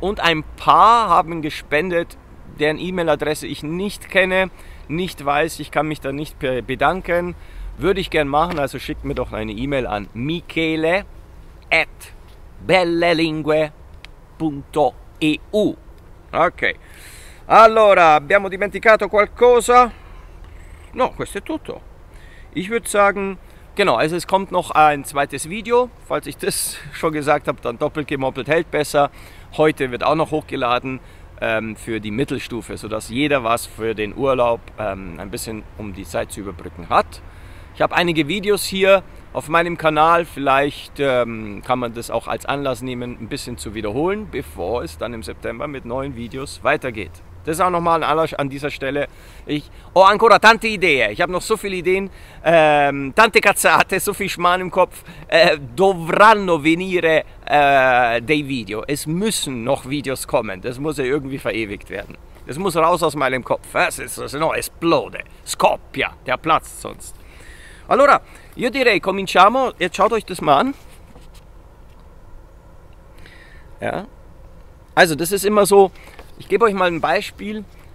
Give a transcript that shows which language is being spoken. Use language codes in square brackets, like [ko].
[de] Und ein paar haben gespendet, deren E-Mail-Adresse ich nicht kenne, nicht weiß, ich kann mich da nicht bedanken. Würde ich gern machen, also schickt mir doch eine E-Mail an michele@bellelingue.eu. [it] Ok, allora abbiamo dimenticato qualcosa? No, questo è tutto. [de] Ich würde sagen, genau, also es kommt noch ein zweites Video. Falls ich das schon gesagt habe, dann doppelt gemoppelt hält besser. Heute wird auch noch hochgeladen für die Mittelstufe, sodass jeder was für den Urlaub ein bisschen um die Zeit zu überbrücken hat. Ich habe einige Videos hier auf meinem Kanal, vielleicht kann man das auch als Anlass nehmen, ein bisschen zu wiederholen, bevor es dann im September mit neuen Videos weitergeht. Das ist auch nochmal ein Anlass an dieser Stelle. [it] Ancora tante Idee. [de] Ich habe noch so viele Ideen, [it] tante cazzate, [de] so viel Schmarrn im Kopf. [it] Dovranno venire dei video. [de] Es müssen noch Videos kommen. Das muss ja irgendwie verewigt werden. Das muss raus aus meinem Kopf. [it] Esplode, scoppia, [de] der platzt sonst. [it] Allora, io direi, cominciamo, [de] jetzt schaut euch das mal an. Ja. Also, das ist immer so, ich gebe euch mal ein Beispiel.